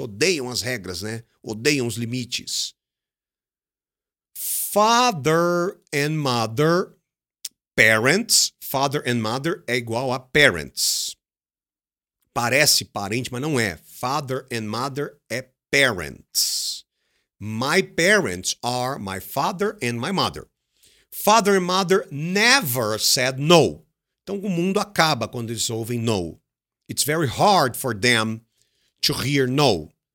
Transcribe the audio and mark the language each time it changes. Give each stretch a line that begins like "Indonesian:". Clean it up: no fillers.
Portuguese: Odeiam as regras, né? Odeiam os limites.
English: Father and mother, parents. Father and mother
Portuguese: é igual a parents. Parece parente, mas não é.
English: Father and mother é parents. My parents are my father and my mother. Father and mother never said no.
Portuguese: Então o mundo acaba quando eles ouvem no.
English: It's very hard for them to hear no.